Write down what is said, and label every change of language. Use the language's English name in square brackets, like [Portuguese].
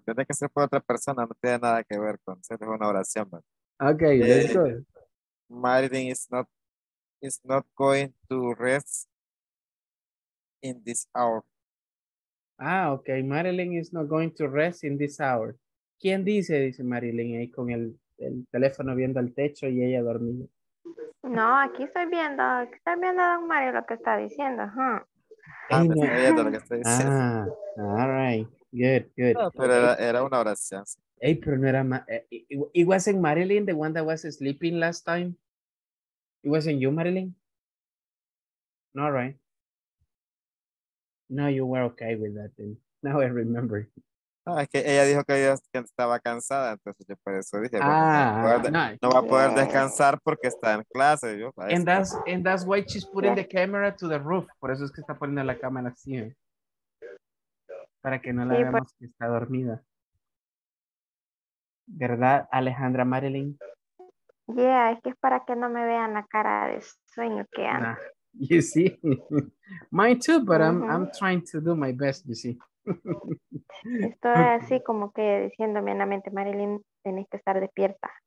[Spanish] Tiene que ser por otra persona, no tiene nada que ver con ser una oración, man. [English] Okay, let's go. Marilyn is not going to rest in this hour. Ah, okay. Marilyn is not going to rest in this hour. [Spanish] ¿Quién dice? Dice Marilyn ahí con el teléfono viendo al techo y ella dormida. No, aquí estoy viendo a don Mario lo que está diciendo. [English] All right, good. [Spanish] No, pero era una oración. [English] Hey, [Spanish] pero no era [English] it wasn't Marilyn, the one that was sleeping last time? It wasn't you, Marilyn? No, right? No, you were okay with that then. Now I remember. [Spanish] Ah, es que ella dijo que ella estaba cansada, entonces yo por eso dije, no va a poder descansar porque está en clase. Yo, [English] and that's why she's putting the camera to the roof. [Spanish] Por eso es que está poniendo la cámara así. Para que no la veamos que está dormida. ¿Verdad, Alejandra Marilyn? Yeah, es que es para que no me vean la cara de sueño que ando. Nah, [English] you see? Mine too, but I'm trying to do my best, you see. [Spanish] Estoy así como que diciéndome en la mente, Marilyn, tenés que estar despierta.